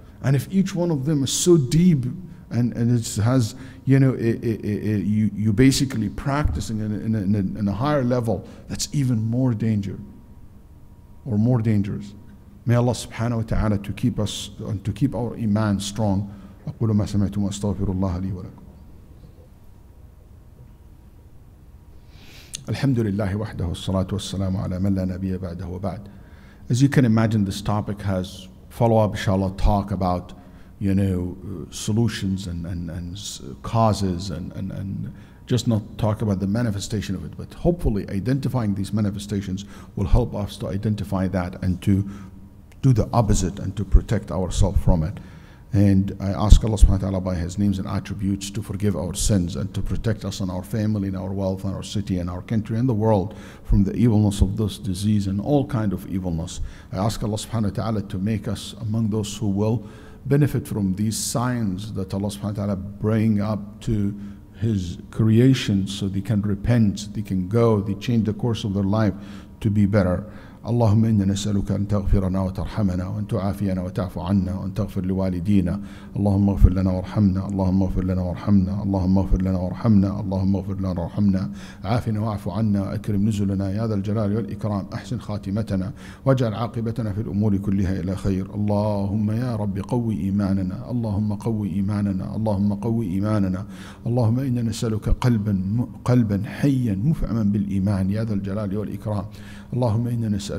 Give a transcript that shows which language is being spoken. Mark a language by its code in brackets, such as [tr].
[en] And if each one of them is so deep and it has, you know, you basically practicing in a higher level, that's even more danger or more dangerous. May Allah subhanahu wa ta'ala to keep us and to keep our iman strong. [ar] أقول ما سمعت ما استغفر الله لي ولكم. الحمد لله وحده والصلاة والسلام على من لا نبي بعده وبعد. [en] As you can imagine, this topic has follow-up, inshallah, talk about, you know, solutions and causes and just not talk about the manifestation of it, but hopefully identifying these manifestations will help us to identify that and to do the opposite and to protect ourselves from it. And I ask Allah subhanahu wa ta'ala by His names and attributes to forgive our sins and to protect us and our family and our wealth and our city and our country and the world from the evilness of this disease and all kind of evilness. I ask Allah subhanahu wa ta'ala to make us among those who will benefit from these signs that Allah subhanahu wa ta'ala bring up to His creation so they can repent, they can go, they change the course of their life to be better. [ar] اللهم إنا نسألك أن تغفرنا وترحمنا وأن تعافينا وتعفو عنا وأن تغفر لوالدينا اللهم اغفر لنا وارحمنا اللهم اغفر لنا وارحمنا اللهم اغفر لنا وارحمنا اللهم اغفر لنا وارحمنا عافنا واعفو عنا أكرم نزلنا يا ذا الجلال والإكرام أحسن خاتمتنا واجعل عاقبتنا في الأمور كلها إلى خير اللهم يا رب قوي إيماننا اللهم قوي إيماننا اللهم قوي إيماننا اللهم إنا نسألك قلبا حيا مفعما بالإيمان يا ذا الجلال والإكرام اللهم إنا نسألك